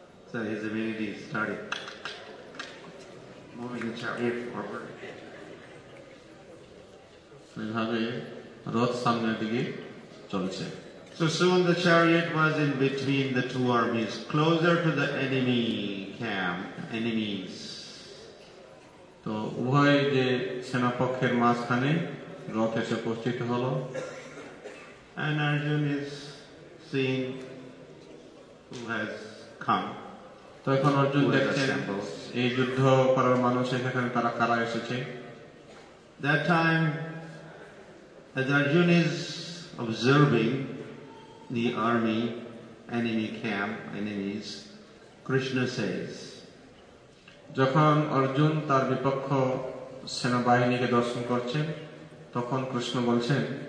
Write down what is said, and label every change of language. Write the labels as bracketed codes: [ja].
[en] So his ability is starting moving the chariot forward. [bn] এভাবে রথ সামনের দিকে চলছে। [en] So soon the chariot was in between the two armies, closer to the enemy camp, enemies. [bn] তো উভয় যে সেনাপক্ষের মাঝখানে রথ এসে উপস্থিত হলো। [en] And Arjun is seeing who has come. [bn] তো এখন অর্জুন দেখছেন এই যুদ্ধ করার মানুষ এখানে তারা কারা এসেছে। [en] That time as Arjun is observing the army, enemy camp, enemies, Krishna says, [bn] যখন অর্জুন তার বিপক্ষ সেনাবাহিনীকে দর্শন করছেন তখন কৃষ্ণ বলছেন